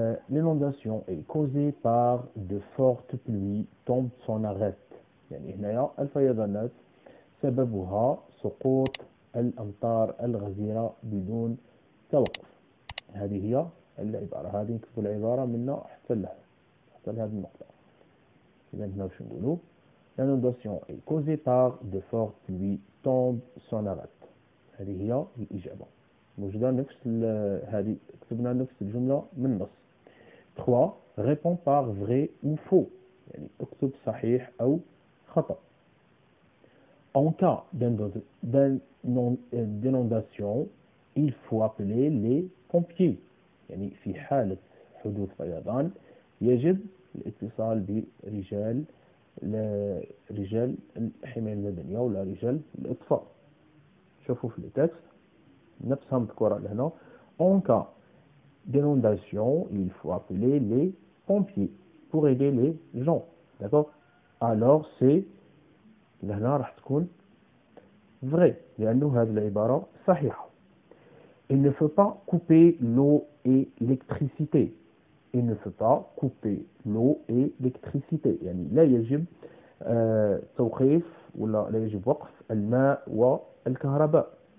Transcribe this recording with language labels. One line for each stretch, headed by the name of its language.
French: لانونداسيون اي كوزي بار دو فورت بلوي تومب سون اريت،
Arabic: يعني هنايا الفيضانات سببها سقوط الأمطار الغزيرة بدون توقف. هذه هي العبارة، هذه نكتب العبارة من حتى لها حتى لهذه النقطة. إذا هنا واش نقولوا؟
French: L'inondation est causée par de fortes pluies tombe sans arrêt.
Arabic: هذه هي الإجابة، موجودة نفس هذه، كتبنا نفس الجملة من النص. 3.
French: Réponds par vrai ou faux،
Arabic: يعني اكتب صحيح أو خطأ.
French: En cas d'inondation, il faut appeler les pompiers.
Arabic: يعني في حالة حدوث فيضان يجب الاتصال برجال الحماية المدنية ولا رجال الإطفاء. شوفوا في التكست نفسها مذكورة لهنا.
French: En cas d'inondation, il faut appeler les pompiers pour aider les gens. D'accord? Alors c'est
Arabic: لهنا راح تكون vrai، لأنه هذه العبارة صحيحة.
French: Il ne faut pas couper l'eau et l'électricité. Il ne faut pas couper l'eau et l'électricité.
Arabic: يعني لا يجب توقيف ولا لا يجب وقف الماء والكهرباء.